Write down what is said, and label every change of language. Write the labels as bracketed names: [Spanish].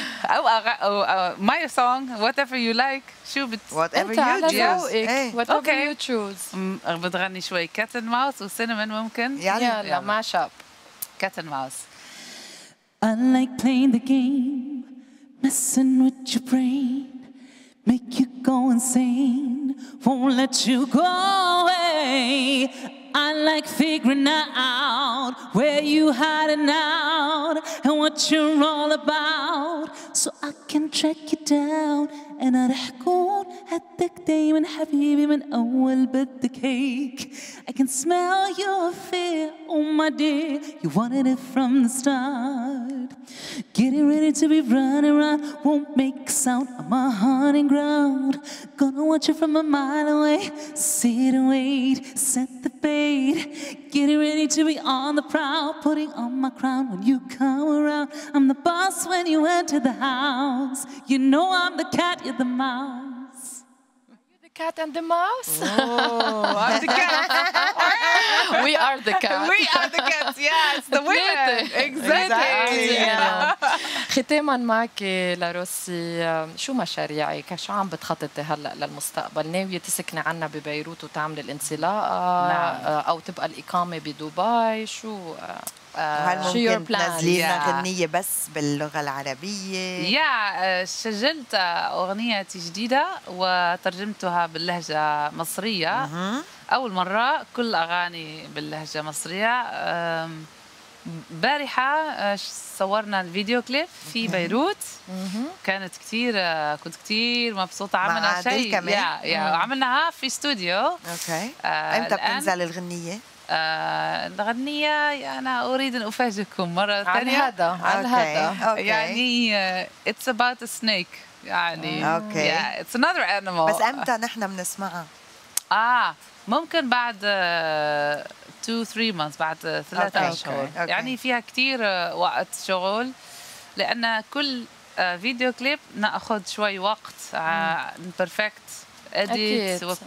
[English] أو my song whatever you like. [Arabic] شو بت [English] whatever you choose. whatever you choose. [Arabic] بتغني شوي [English] cat and mouse [Arabic] وcinnamon ممكن. [English] يلا mash up cat and mouse. I like playing the game, messing with your brain, make you go insane, won't let you go away. I like figuring out where you hiding out and what you're all about, so I can track you down. [Arabic] أنا رح كون هدك دايما حبيبي من أول بدك هيك. [English] I can smell your fear, oh my dear, you wanted it from the start. Getting ready to be running around, won't make a sound on my heart and ground. Gonna watch you from a mile away, sit and wait, set the bait. Getting ready to be on the prowl, putting on my crown when you come around. I'm the boss when you enter the house, you know I'm the cat, you're the mouse. Are you the cat and the mouse? Oh, I'm the cat. We are the cat. We are the cat, yes, the women. Exactly. [Arabic] ختاما معك لروسي، شو مشاريعك؟ شو عم بتخططي هلا للمستقبل؟ ناوية تسكني عنا ببيروت وتعمل الانطلاقة؟ نعم. او تبقى الإقامة بدبي؟ شو هل ممكن تنزلي أغنية بس باللغة العربية؟ يا سجلت أغنية جديدة وترجمتها باللهجة المصرية. اول مرة كل أغاني باللهجة المصرية. بارحة صورنا الفيديو كليب في بيروت، كانت كتير، كنت كتير مبسوطة. عملنا شيء عملناها في استوديو. امتى بتنزل الغنية؟ الغنية انا اريد ان افاجئكم مرة ثانية على هذا. [English] يعني it's about a snake، يعني it's another animal. [Arabic] بس امتى نحن بنسمعها؟ ممكن بعد [English] 2-3 months، [Arabic] بعد 3 أشهر. يعني فيها كتير وقت شغل، لأن كل فيديو كليب نأخذ شوي وقت [English] perfect edit.